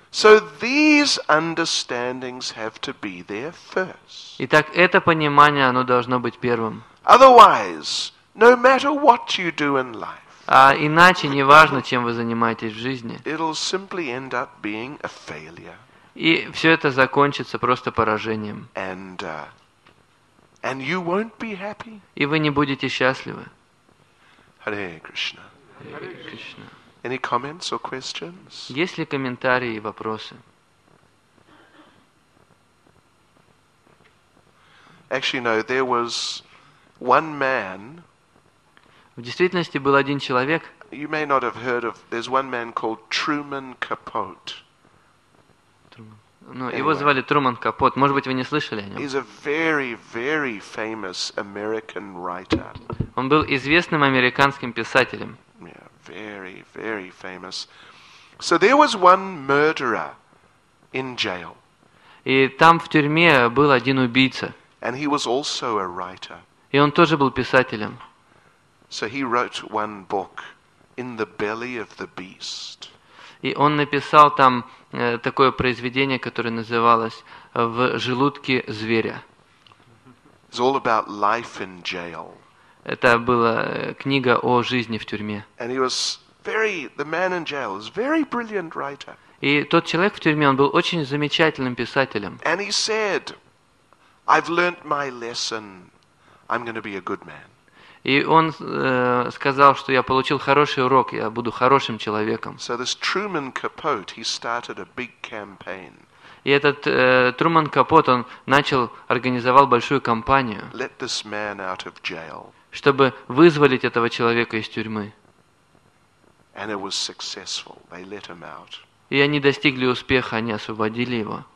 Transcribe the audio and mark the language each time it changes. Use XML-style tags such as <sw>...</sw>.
<en>So these understandings have to be there first.</en> <ru>Итак, это понимание оно должно быть первым.</ru> <en>Otherwise, no matter what you do in life.</en> <ru>А иначе, неважно, чем вы занимаетесь в жизни.</ru> <en>It'll simply end up being a failure.</en> <ru>И все это закончится просто поражением.</ru> <en>And you won't be happy.</en> <ru>И вы не будете счастливы.</ru> <en>Hare Krishna.</en> <ru>Hare Krishna.</ru> <en>Any comments or questions?</en> <ru>Есть ли комментарии и вопросы?</ru> <en>Actually, no, there was one man.</en> <ru>В действительности был один человек.</ru> <en>You may not have heard of. There's one man called Truman Capote.</en> <ru>Ну, его звали Труман Капот. Может быть, вы не слышали о нем.</ru> <en>He's a very, very famous American writer.</en> <ru>Он был известным американским писателем.</ru> <en>Yeah, very, very famous. So there was one murderer in jail.</en> <ru>И там в тюрьме был один убийца.</ru> <en>And he was also a writer.</en> <ru>И он тоже был писателем.</ru> <en>So he wrote one book, In the Belly of the Beast.</en> <ru>И он написал там такое произведение, которое называлось «В желудке зверя».</ru> <en>It's all about life in jail.</en> <ru>Это была книга о жизни в тюрьме.</ru> <en>And he was very, the man in jail was a very brilliant writer.</en> <ru>И тот человек в тюрьме, он был очень замечательным писателем.</ru> <en>And he said, I've learned my lesson. I'm going to be a good man.</en> <ru>И он сказал, что я получил хороший урок, я буду хорошим человеком.</ru> <en>So this Truman Capote, he started a big campaign.</en> <ru>И этот Труман Капот, он начал, организовал большую кампанию,</ru> <en>Let this man out of jail.</en> <ru>Чтобы вызволить этого человека из тюрьмы.</ru> <en>And it was successful. They let him out.</en> <ru>И они достигли успеха, они освободили его.</ru>